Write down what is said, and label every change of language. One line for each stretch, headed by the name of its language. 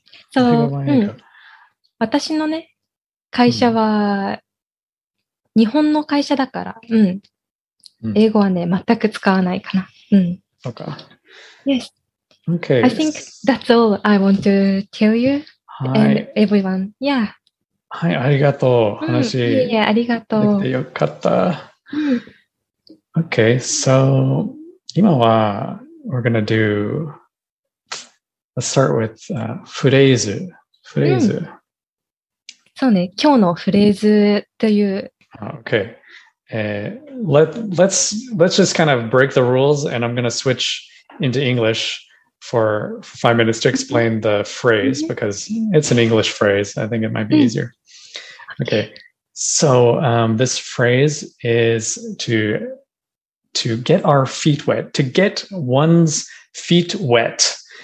Japanese: So,私のね、会社は日本の会社だから、英語はね、全く使わないかな。
English: Okay. Yes. Okay. I think that's all I want to tell you and everyone. Yeah.
Japanese: はい、ありがとう。話。いやいや、ありがとう。よかった。
English: Okay, so,
Japanese: 今は、
English: we're gonna do, let's start with, フレーズ。フレーズ。
Japanese: そうね、今日のフレーズという。
English: Okay. Let's just kind of break the rules and I'm gonna switch into English for 5 minutes to explain the phrase because it's an English phrase. I think it might be easier. Okay, so this phrase is to get our feet wet, to get one's feet wet.